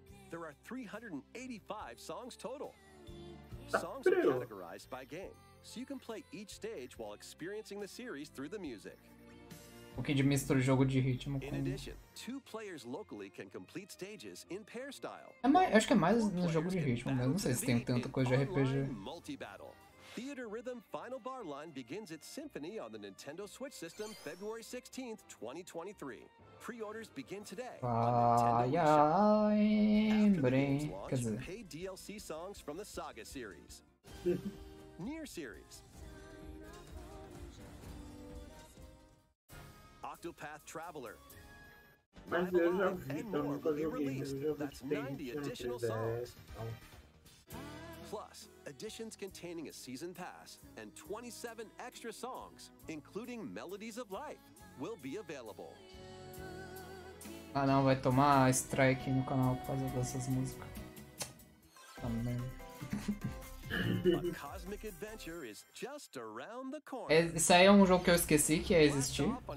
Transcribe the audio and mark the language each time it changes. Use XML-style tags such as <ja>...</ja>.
<en>There are 385 songs total. Songs are categorized by game. so you can play each stage while experiencing the series through the music.</en> <pt>Um pouquinho de mistura de jogo de ritmo com...</pt> <en>In addition, two players locally can complete stages in pair style.</en> <pt>É mais, acho que é mais no jogo de ritmo, mas não sei se tem tanta coisa de RPG.</pt> <en>Theater Rhythm Final Bar Line begins its symphony on the Nintendo Switch system February 16th, 2023. Pre-orders begin today. Pay DLC songs from the Saga series. Near series. Octopath Traveler.</en> <pt>Mas eu já vi,</pt> <en>That's 90 additional songs. Plus, editions containing a season pass and 27 extra songs, including Melodies of Life, will be available.</en> <pt>Ah não, vai tomar strike no canal por causa dessas músicas. Também.</pt> <en>A Cosmic Adventure is just around the corner.</en> <pt>É, isso aí é um jogo que eu esqueci que ia existir.</pt>